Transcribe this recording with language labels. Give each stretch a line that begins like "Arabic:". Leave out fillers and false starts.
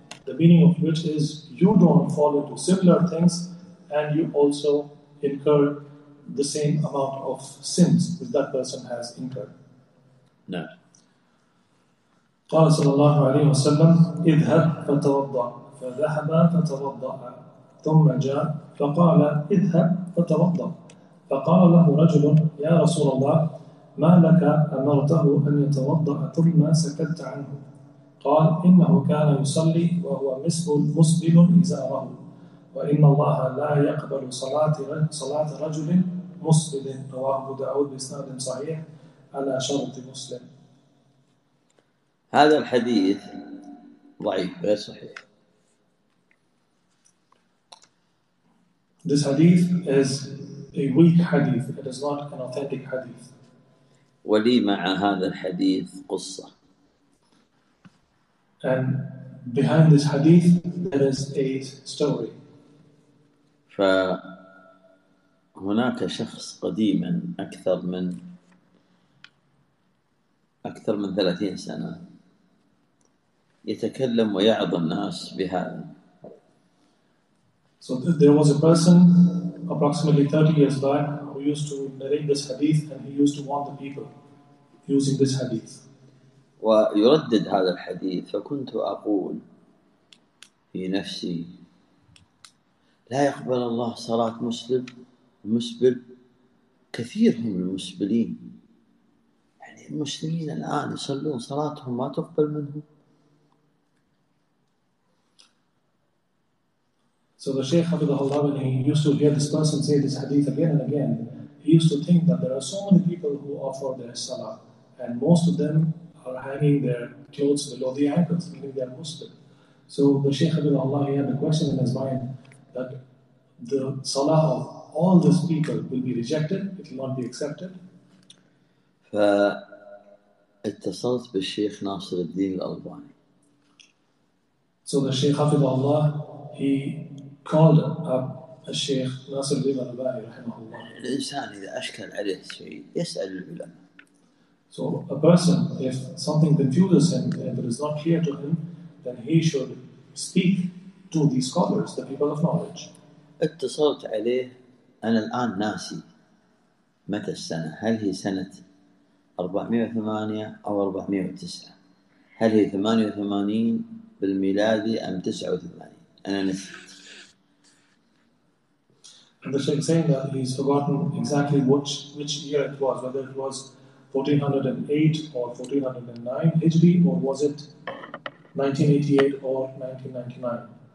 English: The meaning of which is you don't fall into similar things and you also incur the same amount of sins which that person has incurred. No.
Arabic: قال صلى الله عليه وسلم اذهب فتوضأ فذهب فتوضأ ثم جاء فقال اذهب فتوضأ فقال له رجل يا رسول الله ما لك أمرته أن يتوضأ ثم سكت عنه قال إنه كان يصلي وهو مصبل إزاره وإن الله لا يقبل صلاة رجل مصبل رواه أبو داود بإسناد صحيح على شرط مسلم. هذا الحديث ضعيف غير صحيح.
English: This hadith is a weak hadith. It is not an authentic hadith.
Arabic: ولي مع هذا الحديث قصة.
English: And behind this hadith, there is a story.
Arabic: فهناك شخص قديما أكثر من أكثر من 30 سنة يتكلم ويعظ الناس بهذا.
English: So there was a person approximately 30 years back who used to narrate this hadith and he used to warn the people using this hadith.
Arabic: ويردد هذا الحديث فكنت أقول في نفسي لا يقبل الله صلاة مسلم مسبل كثير من المسبلين يعني المسلمين الآن يصلون صلاتهم ما تقبل منهم.
English: So the Shaykh Hafidhah Allah, when he used to hear this person say this hadith again and again, he used to think that there are so many people who offer their salah, and most of them are hanging their clothes below the ankles, meaning they are Muslim. So the Shaykh Hafidhah Allah, he had a question in his mind that the salah of all these people will be rejected, it will not be accepted.
Arabic: اتصلت بالشيخ ناصر الدين الألباني.
English: So the Shaykh Hafidhah Allah, he called up الشيخ ناصر الدين الألباني
Arabic: رحمه الله. الإنسان إذا أشكل عليه شيء يسأل العلماء.
English: So a person, if something confuses him and it is not clear to him, then he should speak to these scholars, the people of knowledge.
Arabic: اتصلت عليه أنا الآن ناسي متى السنة، هل هي سنة 408 أو 409، هل هي 88 بالميلادي أم 89؟ أنا نسيت.
English: And the Shaykh saying that he's forgotten exactly which year it was, whether it was 1408 or 1409 HD, or was it 1988 or 1999.